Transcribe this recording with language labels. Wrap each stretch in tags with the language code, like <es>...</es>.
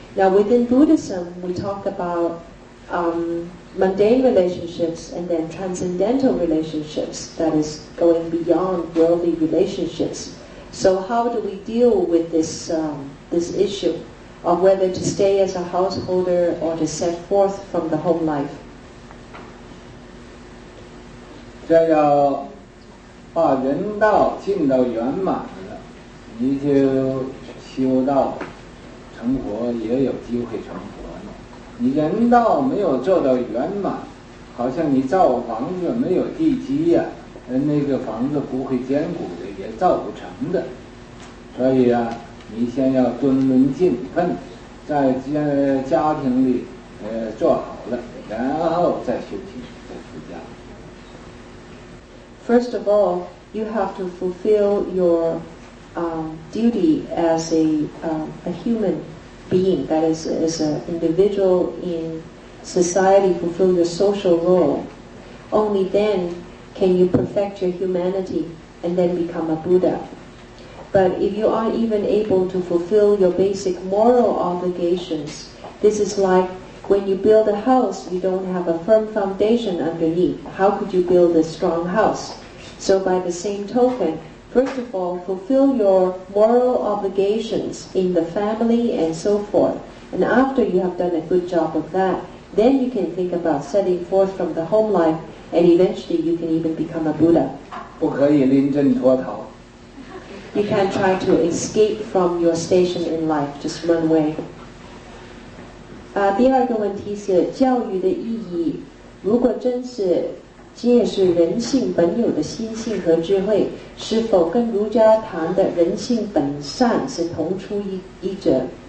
<en>Now within Buddhism, we talk about mundane relationships and then transcendental relationships, that is going beyond worldly relationships. So how do we deal with this issue of whether to stay as a householder or to set forth from the home life?</en> <zh>这要把人道进到圆满，你就修道成佛，也有机会成佛了。你人道没有做到圆满，好像你造房子没有地基呀、啊，那个房子不会坚固的，也造不成的。所以啊，你先要敦伦尽分，在家庭里做好了，然后再修行，再出家。</zh> <en>First of all, you have to fulfill your duty as a human. Being, that is, as an individual in society, fulfill your social role. Only then can you perfect your humanity and then become a Buddha. But if you aren't even able to fulfill your basic moral obligations, this is like when you build a house, you don't have a firm foundation underneath. How could you build a strong house? So by the same token,First of all, fulfill your moral obligations in the family and so forth. And after you have done a good job of that, then you can think about setting forth from the home life, and eventually you can even become a Buddha.</en> <zh>不可以临阵脱逃。</zh> <en>You can't try to escape from your station in life, just run away.</en> <zh>第二个问题是教育的意义。如果真是今也是人性本有的心性和智慧，是否跟儒家谈的人性本善是同出一辙？</zh>